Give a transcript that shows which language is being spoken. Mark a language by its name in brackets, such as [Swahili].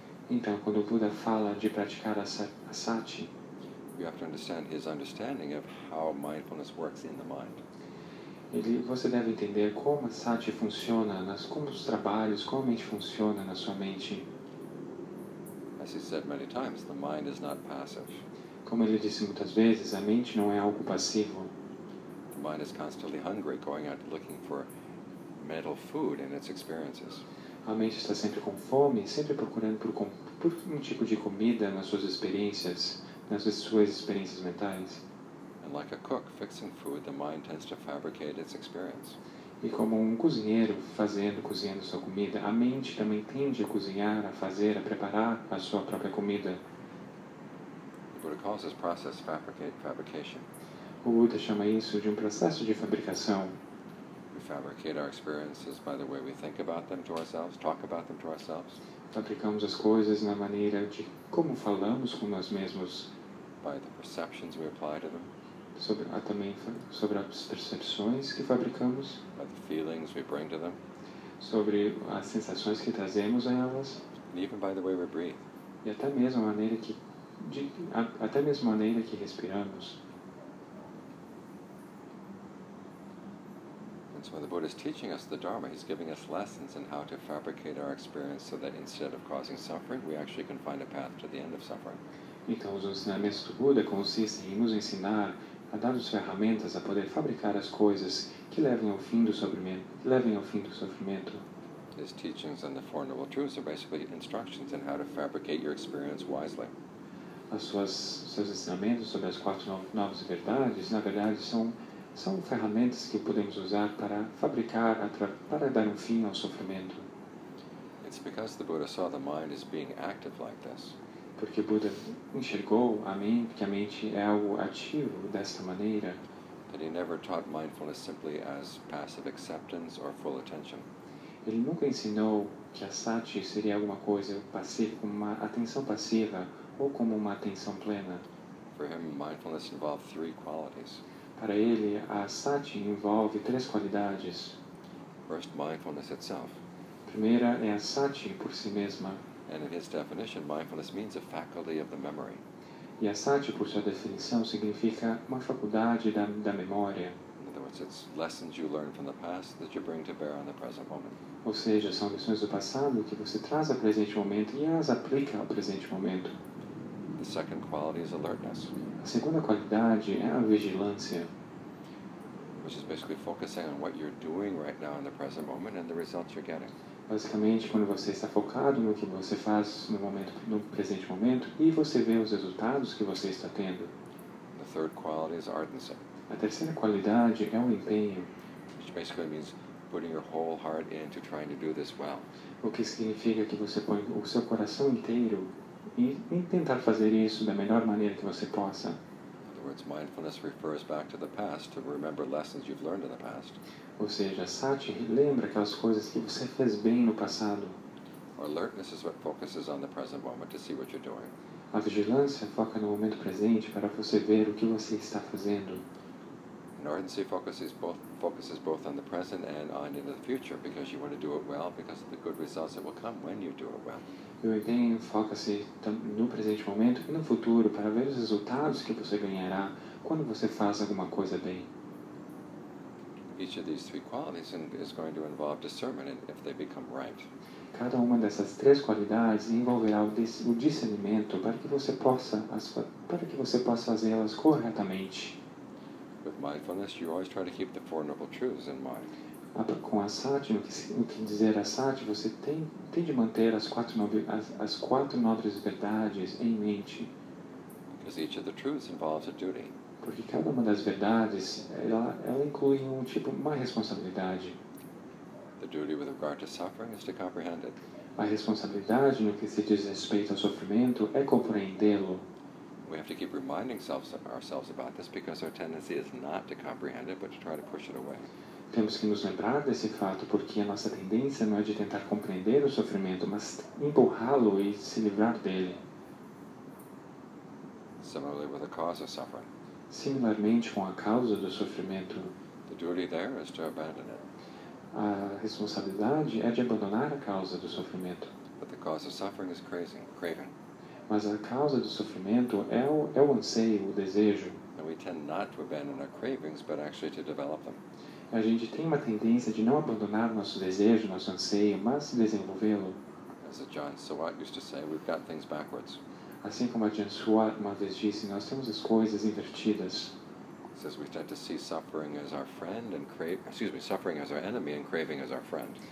[Portuguese] Então quando o Buda fala de praticar a sati, [English] you have to understand his understanding of how mindfulness works in the mind. [Portuguese] Você deve entender como a sati funciona, como os trabalhos, como a mente funciona na sua mente. [English] As he said many times, the mind is not passive. [Portuguese] Como ele disse muitas vezes, a mente não é algo passivo. [English] The mind is constantly hungry, going out looking for mental food in its experiences. [Portuguese] A mente está sempre com fome, sempre procurando por um tipo de comida nas suas experiências mentais. [English] Like a cook fixing food, the mind tends to fabricate its experience. [Portuguese] E como cozinheiro cozinhando sua comida, a mente também tende a cozinhar, a fazer, a preparar a sua própria comida. [English] The Buddha calls this process fabrication. [Portuguese] O Buda chama isso de um processo de fabricação. [English] We fabricate our experiences by the way we think about them to ourselves, talk about them to ourselves. [Portuguese] Fabricamos as coisas na maneira de como falamos com nós mesmos. [English] By the perceptions we apply to them. [Portuguese] Sobre as percepções que fabricamos, [English] by the feelings we bring to them, [Portuguese] sobre as sensações que trazemos a elas, [English] and even by the way we breathe. [Portuguese] E até mesmo a maneira que respiramos. [English] And so when the Buddha is teaching us the Dharma, he's giving us lessons in how to fabricate our experience so that instead of causing suffering, we actually can find a path to the end of suffering. [Portuguese] Então os ensinamentos do Buda consistem em nos ensinar a dar as ferramentas a poder fabricar as coisas que levem ao fim do sofrimento. [English] His teachings on the Four Noble Truths are basically instructions on how to fabricate your experience wisely. [Portuguese] Seus ensinamentos sobre as quatro novas verdades, na verdade, são ferramentas que podemos usar para fabricar, para dar um fim ao sofrimento. [English] It's because the Buddha saw the mind as being active like this. [Portuguese] Porque Buda enxergou que a mente é algo ativo desta maneira. [English] That he never taught mindfulness simply as passive acceptance or full attention. [Portuguese] Ele nunca ensinou que a sati seria alguma coisa passiva, como uma atenção passiva ou como uma atenção plena. [English] For him, mindfulness involved three qualities. [Portuguese] Para ele, a sati envolve três qualidades. [English] First, mindfulness itself. [Portuguese] Primeira é a sati por si mesma. [English] And in his definition, mindfulness means a faculty of the memory. [Portuguese] E a sati, por sua definição, significa uma faculdade da memória. [English] In other words, it's lessons you learn from the past that you bring to bear on the present moment. [Portuguese] Ou seja, são lições do passado que você traz ao presente momento e as aplica ao presente momento. [English] The second quality is alertness. [Portuguese] A segunda qualidade é a vigilância. [English] Which is basically focusing on what you're doing right now in the present moment and the results you're getting. [Portuguese] Basicamente, quando você está focado no que você faz no presente momento e você vê os resultados que você está tendo. [English] The third quality is ardency. [Portuguese] A terceira qualidade é o empenho. [English] Which basically means putting your whole heart into trying to do this well. [Portuguese] O que significa que você põe o seu coração inteiro e tentar fazer isso da melhor maneira que você possa. [English] In other words, mindfulness refers back to the past to remember lessons you've learned in the past. [Portuguese] Ou seja, sati lembra aquelas coisas que você fez bem no passado. [English] Alertness is what focuses on the present moment to see what you're doing. [Portuguese] A vigilância foca no momento presente para você ver o que você está fazendo. [English] Ardency focuses both on the present and on into the future because you want to do it well because of the good results that will come when you do it well. [Portuguese] O empenho foca-se no presente momento e no futuro para ver os resultados que você ganhará quando você faz alguma coisa bem. [English] Each of these three qualities is going to involve discernment if they become right. [Portuguese] Cada uma dessas três qualidades envolverá o discernimento para que você possa fazê-las corretamente. [English] With mindfulness, you always try to keep the Four Noble Truths in mind. [Portuguese] Com a sati, o que dizer a sati, você tem de manter as quatro nobres verdades em mente. [English] Because each of the truths involves a duty. [Portuguese] Porque cada uma das verdades, ela inclui um tipo, uma responsabilidade. [English] The duty with regard to suffering is to comprehend it. [Portuguese] A responsabilidade no que se diz respeito ao sofrimento é compreendê-lo. [English] We have to keep reminding ourselves about this because our tendency is not to comprehend it, but to try to push it away. [Portuguese] Temos que nos lembrar desse fato porque a nossa tendência não é de tentar compreender o sofrimento, mas empurrá-lo e se livrar dele. [English] Similarly with the cause of suffering. [Portuguese] Similarmente com a causa do sofrimento. [English] The duty there is to abandon it. [Portuguese] A responsabilidade é de abandonar a causa do sofrimento. [English] But the cause of suffering is craving. [Portuguese] Mas a causa do sofrimento é o anseio, o desejo. [English] And we tend not to abandon our cravings, but actually to develop them. [Portuguese] A gente tem uma tendência de não abandonar nosso desejo, nosso anseio, mas desenvolvê-lo. [English] As John Sawat used to say, we've got things backwards. [Portuguese] Assim como a John Sawat uma vez disse, nós temos as coisas invertidas. [English] Says we tend to see suffering as our friend and suffering as our enemy and craving as our friend.